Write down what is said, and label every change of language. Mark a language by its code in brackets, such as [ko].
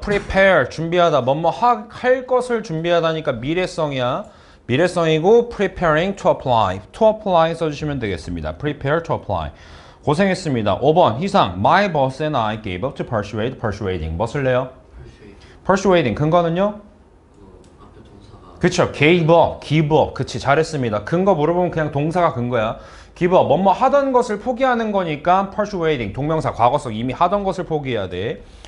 [ko] Prepare 준비하다 뭐뭐 할 것을 준비하다니까 미래성이야. 미래성이고 [en] Preparing to apply. [ko] To apply 써주시면 되겠습니다. [en] Prepare to apply. [ko] 고생했습니다. 5번 희상 [en] My boss and I gave up to persuade. Persuading [ko] 뭐 쓸래요? [en] Persuading [ko] 근거는요? 앞에 동사가 그쵸. gave up, give up. 그치. 잘했습니다. 근거 물어보면 그냥 동사가 근거야. [en] give up. [ko] 뭐뭐 하던 것을 포기하는 거니까 persuading. 동명사 과거성. 이미 하던 것을 포기해야 돼.